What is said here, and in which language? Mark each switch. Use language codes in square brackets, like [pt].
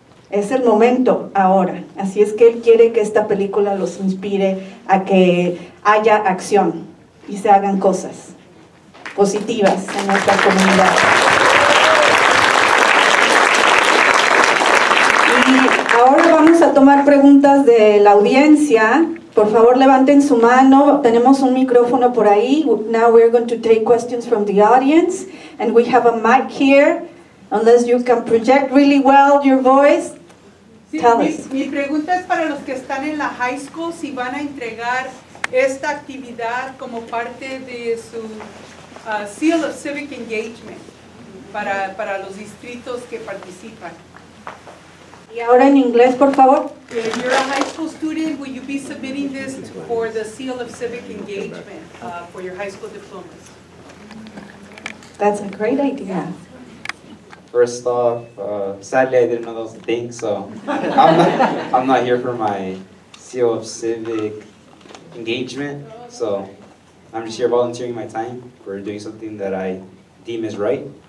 [es] Es el momento ahora. Así es que él quiere que esta película los inspire a que haya acción y se hagan cosas positivas en nuestra comunidad. Y ahora vamos a tomar preguntas de la audiencia. Por favor, levanten su mano. Tenemos un micrófono por ahí. [en] Now we're going to take questions from the audience. And we have a mic here. Unless you can project really well your voice. [es] Mi pregunta es para los que están en la high school, si van a entregar esta actividad como parte de su Seal of Civic Engagement para los distritos que participan. Y ahora en inglés, por favor. [en] If you're a high school student, will you be submitting this for the Seal of Civic Engagement for your high school diplomas? That's a great idea. First off, sadly, I didn't know that was a thing, so I'm not here for my Seal of Civic engagement, so I'm just here volunteering my time for doing something that I deem is right.